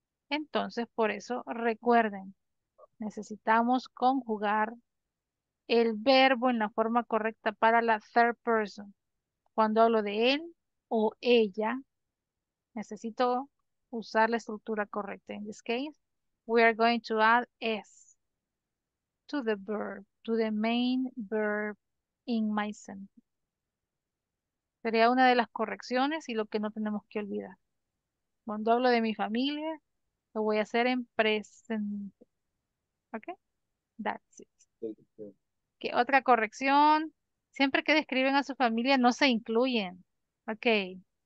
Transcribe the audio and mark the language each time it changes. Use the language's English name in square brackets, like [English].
[Spanish] Entonces, por eso, recuerden. Necesitamos conjugar el verbo en la forma correcta para la third person. Cuando hablo de él o ella, necesito usar la estructura correcta. [English] In this case, we are going to add S to the verb, to the main verb in my sentence. [Spanish] Sería una de las correcciones y lo que no tenemos que olvidar. Cuando hablo de mi familia, lo voy a hacer en presente. [English] Okay, that's it. [Spanish] ¿Qué otra corrección? Siempre que describen a su familia, no se incluyen. Okay,